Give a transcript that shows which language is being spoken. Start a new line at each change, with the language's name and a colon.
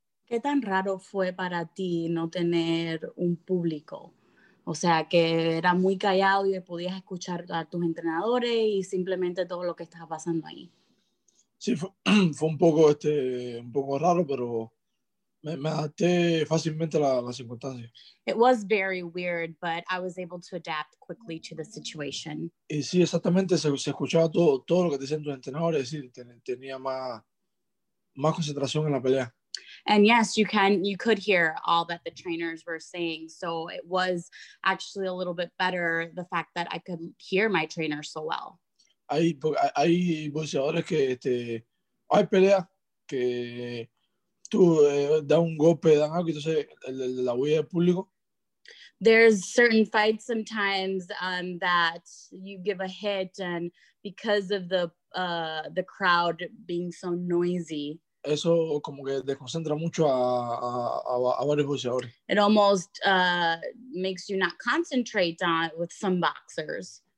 Spanish: ¿Qué tan raro fue para ti no tener un público? O sea, que era muy callado y podías escuchar a tus entrenadores y simplemente todo lo que estaba pasando ahí. Sí, fue un poco raro, pero me adapté fácilmente a las circunstancias.
English: It was very weird, but I was able to adapt quickly to the situation.
Spanish: Y sí, exactamente, se escuchaba todo lo que decían tus entrenadores, es decir, tenía más concentración en la pelea.
English: And yes, you could hear all that the trainers were saying. So it was actually a little bit better, the fact that I could hear my trainer so well.
Spanish: Hay boxeadores que hay pelea que tú da un golpe, dan algo, entonces la huella del público.
English: There's certain fights sometimes that you give a hit, and because of the crowd being so noisy,
Spanish: eso como que desconcentra mucho a varios boxeadores.
English: It almost makes you not concentrate on it with some boxers.